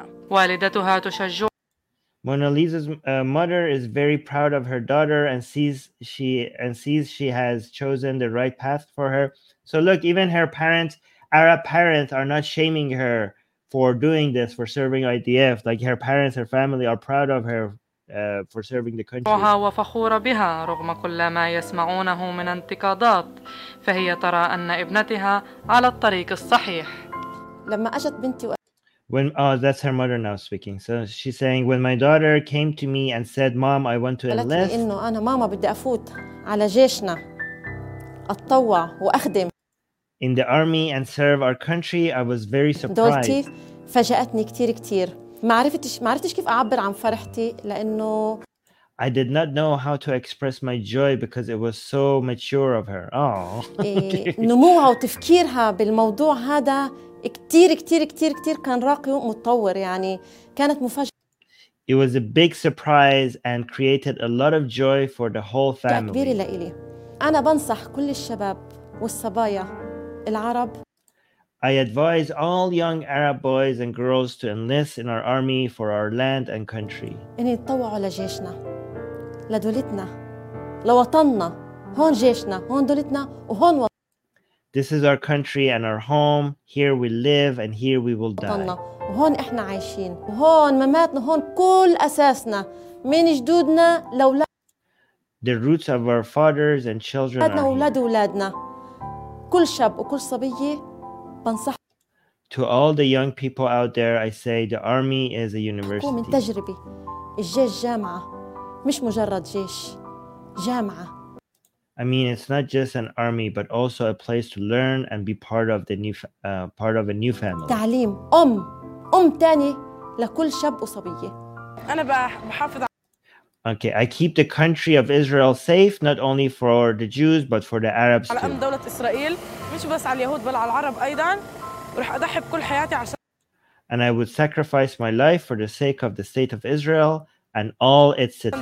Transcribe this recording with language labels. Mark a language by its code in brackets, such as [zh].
[en] Mona Lisa's mother is very proud of her daughter and sees she has chosen the right path for her. So look, even her parents, Arab parents, are not shaming her for doing this, for serving IDF. Like, her parents, her family are proud of her for serving the country. [ar] وفخورة بها رغم كل ما يسمعونه من انتقادات فهي ترى أن ابنتها على الطريق الصحيح. لما أجت بنتي. [en] That's her mother now speaking. So she's saying, when my daughter came to me and said, "Mom, I want to enlist." [ar] قالت لي إنه أنا ماما بدي أفوت على جيشنا أتطوع وأخدم. [en] In the army and serve our country, I was very surprised. [ar] فاجأتني كتير كتير. ما عرفتش كيف أعبر عن فرحتي لأنه [en] I did not know how to express my joy because it was so mature of her. Oh. [ar] نموها وتفكيرها بالموضوع هذا كتير كتير كتير كتير كان راقي ومتطور يعني كانت مفاجأة. [en] It was a big surprise and created a lot of joy for the whole family. [ar] كبيرة لإلي. أنا بنصح كل الشباب والصبايا العرب. [en] I advise all young Arab boys and girls to enlist in our army for our land and country. [ar] إن يتطوعوا لجيشنا لدولتنا لوطننا هون جيشنا هون دولتنا وهون [en] This is our country and our home. Here we live and here we will die. [ar] وطننا وهون إحنا عايشين وهون مماتنا هون كل أساسنا من جدودنا لولا [en] The roots of our fathers and children [ar] أولادنا وولاد أولادنا كل شاب وكل صبية بنصح [en] To all the young people out there, I say the army is a university. [ar] من تجربة الجيش جامعة مش مجرد جيش جامعة [en] I mean, it's not just an army, but also a place to learn and be part of the new part of a new family. [ar] تعليم أم تاني لكل شاب وصبية أنا بحافظ [en] Okay, I keep the country of Israel safe, not only for the Jews, but for the Arabs too. And I would sacrifice my life for the sake of the state of Israel and all its citizens.